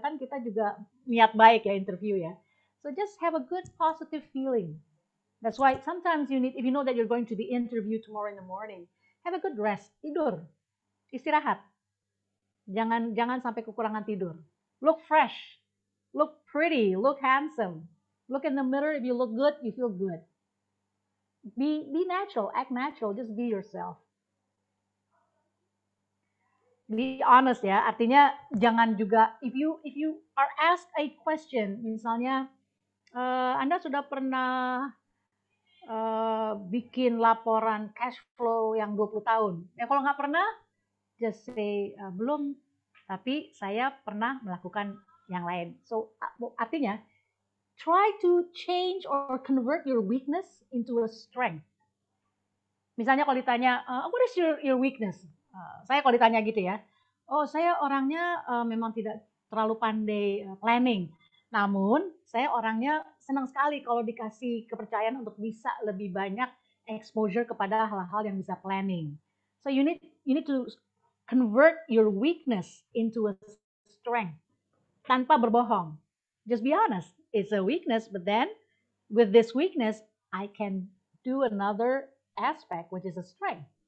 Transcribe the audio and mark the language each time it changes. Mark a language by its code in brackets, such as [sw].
[id] Kan kita juga niat baik ya interview ya. [en] So just have a good positive feeling. That's why sometimes you need, if you know that you're going to be interviewed tomorrow in the morning, have a good rest, [id] tidur, istirahat. Jangan sampai kekurangan tidur. [en] Look fresh, look pretty, look handsome. Look in the mirror, if you look good, you feel good. Be natural, act natural, just be yourself. Be honest [id] ya, artinya jangan juga, [en] if you are asked a question, [id] misalnya, Anda sudah pernah bikin laporan cash flow yang 20 tahun. Ya kalau nggak pernah, [en] just say [id] belum. Tapi saya pernah melakukan yang lain. [en] So [id] artinya, [en] try to change or convert your weakness into a strength. [id] Misalnya kalau ditanya, [en] what is your weakness? [id] Saya kalau ditanya gitu ya, oh saya orangnya memang tidak terlalu pandai planning. Namun, saya orangnya senang sekali kalau dikasih kepercayaan untuk bisa lebih banyak exposure kepada hal-hal yang bisa planning. [en] So you need to convert your weakness into a strength [id] tanpa berbohong. [en] Just be honest, it's a weakness, but then with this weakness, I can do another aspect which is a strength.